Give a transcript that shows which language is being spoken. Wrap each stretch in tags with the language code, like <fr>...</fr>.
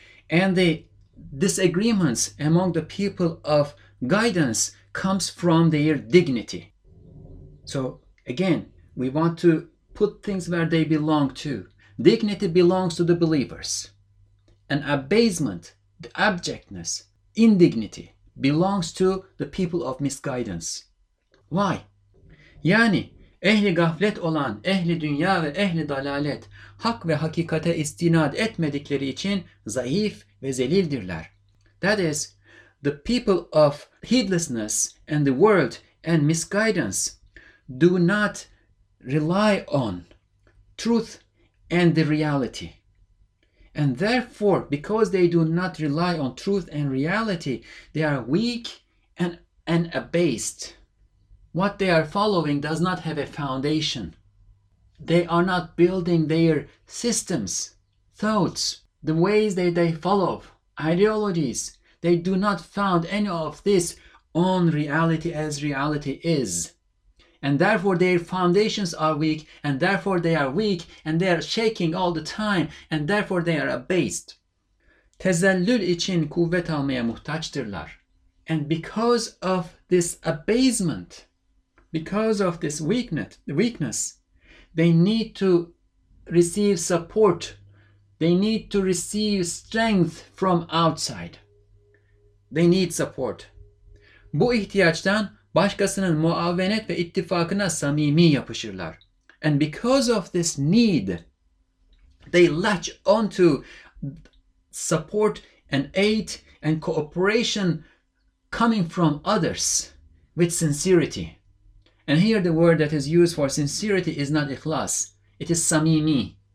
<en>And the disagreements among the people of guidance comes from their dignity. So again, we want to put things where they belong to. Dignity belongs to the believers. And abasement, the abjectness, indignity belongs to the people of misguidance. Why?</en> <tr>Yani ehli gaflet olan, ehli dünya ve ehli dalalet hak ve hakikate istinad etmedikleri için zayıf ve zelildirler.</tr> <en>That is, the people of heedlessness and the world and misguidance do not rely on truth and the reality. And therefore, because they do not rely on truth and reality, they are weak and abased. What they are following does not have a foundation. They are not building their systems, thoughts, the ways that they follow, ideologies. They do not found any of this on reality as reality is. And therefore their foundations are weak, and therefore they are weak, and they are shaking all the time, and therefore they are abased.</en> <tr>Tezellül için kuvvet almaya muhtaçtırlar.</tr> <en>And because of this abasement, because of this weakness, they need to receive support. They need to receive strength from outside. They need support.</en> <tr>Bu ihtiyaçtan başkasının muavenet ve ittifakına samimi yapışırlar.</tr> <en>And because of this need, they latch onto support and aid and cooperation coming from others. with sincerity. And here the word that is used for sincerity is not ikhlas, it is samimi.</en>